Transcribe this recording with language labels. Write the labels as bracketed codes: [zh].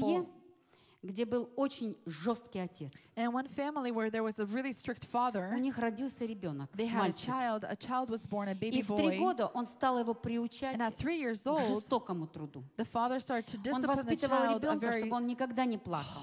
[ru] семье, где был очень жесткий отец. [en] And one family where there was a really strict father. [ru] У них родился ребенок. [en] They had [ru] мальчик. [en] A child. A child was born, a baby boy. [ru] И в три года он стал его приучать. [en] And at 3 years old, [ru] к жестокому труду. [en] The father started to discipline the child. [ru] Он воспитывал ребенка, [en] very [ru] чтобы он никогда не плакал.